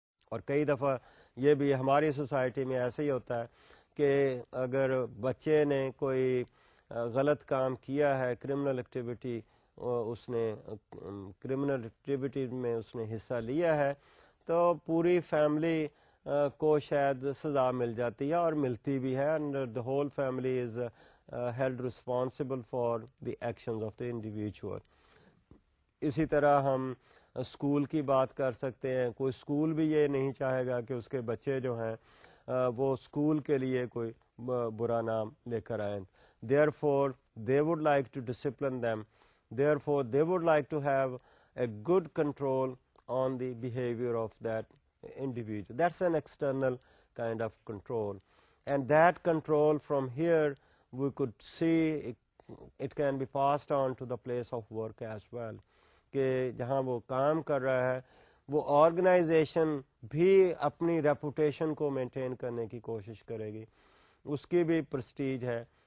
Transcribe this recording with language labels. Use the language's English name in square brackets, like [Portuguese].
[Urdu] اور کئی دفعہ یہ بھی ہماری سوسائٹی میں ایسے ہی ہوتا ہے کہ اگر بچے نے کوئی غلط کام کیا ہے، کرمنل ایکٹیویٹی اس نے کرمنل ایکٹیویٹی میں اس نے حصہ لیا ہے، تو پوری فیملی کو شاید سزا مل جاتی ہے، اور ملتی بھی ہے. [English] The whole family is held responsible for the actions of the individual. [Urdu] اسی طرح ہم اسکول کی بات کر سکتے ہیں. کوئی اسکول بھی یہ نہیں چاہے گا کہ اس کے بچے جو ہیں وہ اسکول کے لیے کوئی برا نام لے کر آئیں. [English] Therefore they would like to discipline them, therefore they would like to have a good control on the behaviour of that individual. That's an external kind of control, and that control from here we could see it can be passed on to the place of work as well, [Urdu] کہ جہاں وہ کام کر رہا ہے وہ organization بھی اپنی reputation کو مینٹین کرنے کی کوشش کرے گی, اس کی بھی پرسٹیج ہے,